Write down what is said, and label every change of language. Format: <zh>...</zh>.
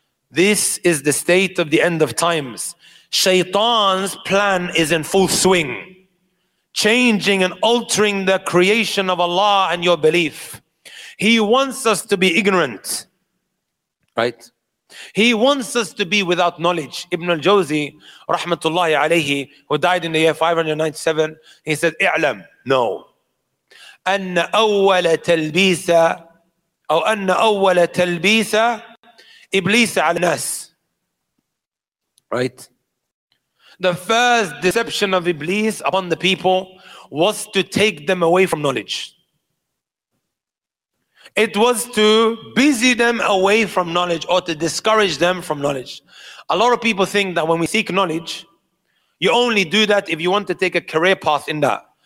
<en>This is the state of the end of times. Shaitan's plan is in full swing, changing and altering the creation of Allah and your belief. He wants us to be ignorant, right? He wants us to be without knowledge. Ibn al-Jawzi, rahmatullahi alayhi, who died in the year 597, he said, "I'lam, no.</en> <ar>أن أول تلبيسة أو أن أول تلبيسة إبليس على الناس."</ar> <en>Right? The first deception of Iblis upon the people was to take them away from knowledge. It was to busy them away from knowledge, or to discourage them from knowledge. A lot of people think that when we seek knowledge, you only do that if you want to take a career path in that.</en>